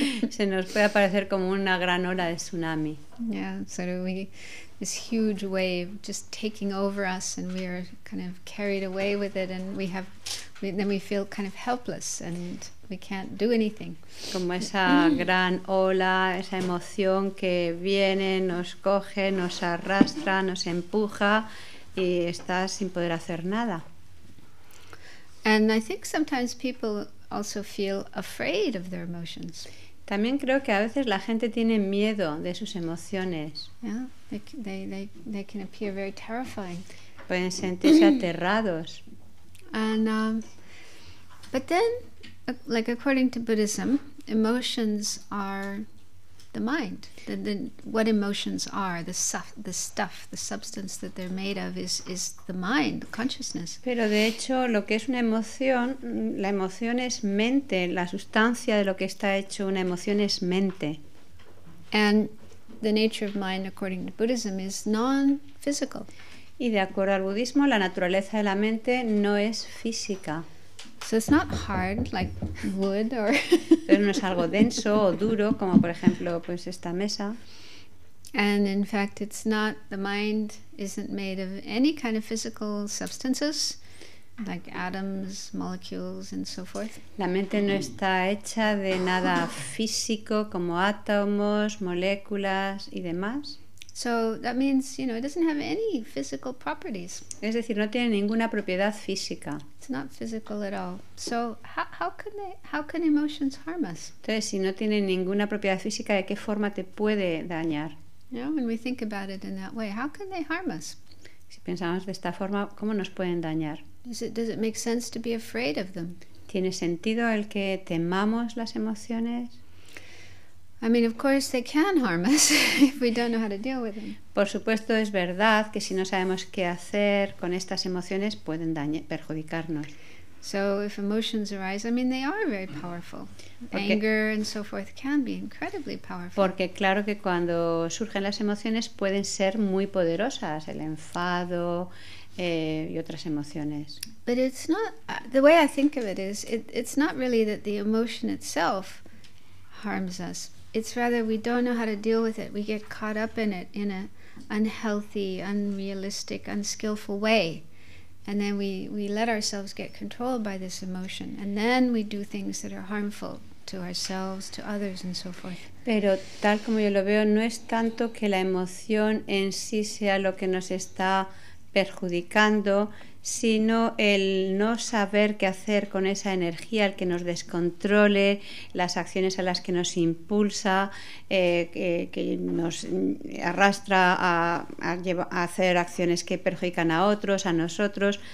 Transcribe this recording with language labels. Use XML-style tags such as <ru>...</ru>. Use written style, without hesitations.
<es>Se nos puede aparecer como una gran ola de tsunami.</es> <en>Yeah, sort of this huge wave just taking over us, and we are kind of carried away with it, and then we feel kind of helpless, and we can't do anything.</en> <es>Como esa gran ola, esa emoción que viene, nos coge, nos arrastra, nos empuja, y estás sin poder hacer nada.</es> <en>And I think sometimes people also feel afraid of their emotions.</en> <es>También creo que a veces la gente tiene miedo de sus emociones.</es> <en>Yeah, they can appear very terrifying.</en> <es>Pueden sentirse aterrados.</es> <en>And but then, like according to Buddhism, emotions are the mind. What emotions are, the substance that they're made of is the mind, the consciousness.</en> <es>Pero de hecho, lo que es una emoción, la emoción es mente, la sustancia de lo que está hecho una emoción es mente.</es> <en>And the nature of mind, according to Buddhism, is non-physical.</en> <es>Y de acuerdo al budismo, la naturaleza de la mente no es física.</es> <en>So it's not hard, like wood or</en> <es>pero no es algo denso o duro, como por ejemplo pues esta mesa.</es> <en>And in fact, it's not, the mind isn't made of any kind of physical substances, like atoms, molecules, and so forth.</en> <es>La mente no está hecha de nada físico, como átomos, moléculas y demás.</es> <en>So that means, you know, it doesn't have any physical properties.</en> <es>Es decir, no tiene ninguna propiedad física.</es> <en>It's not physical at all. So how can emotions harm us?</en> <es>Entonces, si no tiene ninguna propiedad física, ¿de qué forma te puede dañar?</es> <en>You know, when we think about it in that way, how can they harm us?</en> <es>Si pensamos de esta forma, ¿cómo nos pueden dañar?</es> <en>Does it make sense to be afraid of them?</en> <es>¿Tiene sentido el que temamos las emociones?</es> <en>I mean, of course, they can harm us if we don't know how to deal with them.</en> <es>Por supuesto, es verdad que si no sabemos qué hacer con estas emociones, pueden perjudicarnos.</es> <en>So, if emotions arise, I mean, they are very powerful. Porque, anger and so forth can be incredibly powerful.</en> <es>Porque claro que cuando surgen las emociones pueden ser muy poderosas, el enfado, y otras emociones.</es> <en>But it's not, the way I think of it is, it's not really that the emotion itself harms us. It's rather we don't know how to deal with it. We get caught up in it in an unhealthy, unrealistic, unskillful way. And then we let ourselves get controlled by this emotion. And then we do things that are harmful to ourselves, to others, and so forth.</en> <es>Pero tal como yo lo veo, no es tanto que la emoción en sí sea lo que nos está perjudicando, sino el no saber qué hacer con esa energía, el que nos descontrole, las acciones a las que nos impulsa, que nos arrastra a hacer acciones que perjudican a otros, a nosotros.</es>